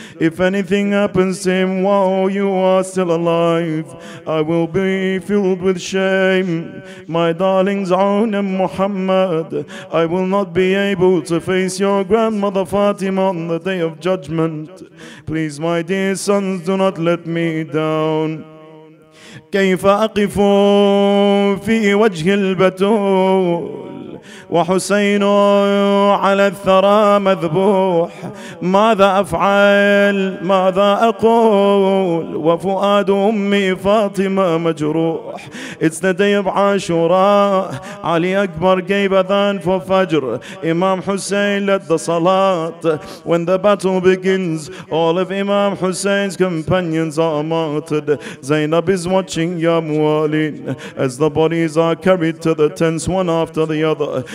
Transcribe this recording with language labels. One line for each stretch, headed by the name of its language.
English: If anything happens to him while you are still alive, I will be filled with shame. My darlings Aoun and Muhammad, I will not be able to face your grandmother Fatima on the day of judgment. Please, my dear sons, do not let me down.
Arabic: كيف أقف في وجه البتول وحسين على الثرى مذبوح ماذا أفعل ماذا أقول وفؤاد أمي فاطمة مجروح.
English: It's the day of Ashura. Ali Akbar gave adhan for Fajr. Imam Hussein led the Salat. When the battle begins, all of Imam Hussein's companions are martyred. Zainab is watching Ya Mualin as the bodies are carried to the tents one after the other.